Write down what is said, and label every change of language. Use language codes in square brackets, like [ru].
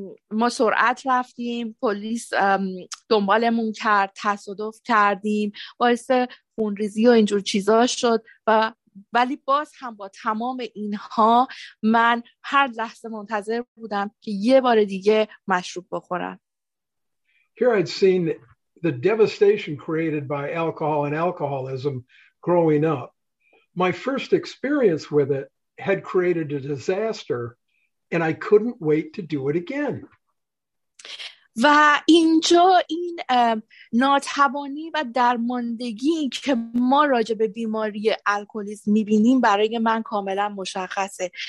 [fa] ما سرعت رفتیم، پلیس دنبالمون کرد، تصادف کردیم، باعث خونریزی و اینجور چیزا شد و ولی باز هم با تمام اینها من هر لحظه منتظر بودم که یه بار دیگه مشروب بخورم. [en] Here I'd seen the devastation created by alcohol and alcoholism growing up. My first experience with it had created a disaster and I couldn't wait to do it again. [fa] و اینجا این ناتوانی و درماندگی که ما راجع به بیماری الکلیسم می‌بینیم برای من کاملا مشخصه.